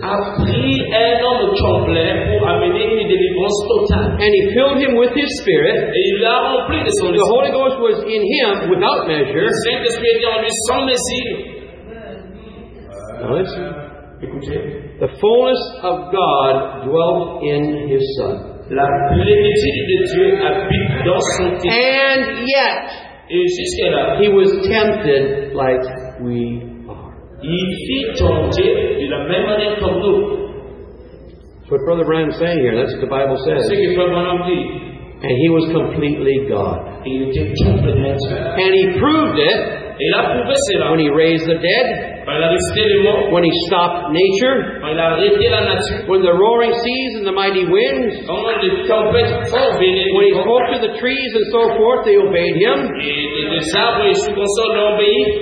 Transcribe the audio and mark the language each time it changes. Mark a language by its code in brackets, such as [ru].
[en] And he filled him with his spirit. The Holy Ghost was in him without measure. Now listen. The fullness of God dwelt in his Son. [fr] La plénitude de Dieu habite dans son Fils. [en] And yet, he was tempted like we are. [fr] Il fut tenté de la même manière comme nous. [en] That's what Brother Branham is saying here. That's what the Bible says. [fr] C'est ce que Brother Branham dit. [en] And he was completely God. [fr] Il était complètement Dieu. [en] And he proved it. [fr] Il a prouvé cela. [en] When he raised the dead, [fr] il a resté les morts. [en] When he stopped nature, [fr] il a arrêté la nature. [en] When the roaring seas and the mighty winds, [fr] quand les tempêtes fortes venaient. [en] When he spoke to the trees and so forth, they obeyed him. [fr] Et les arbres et sous son sol l'ont obéi.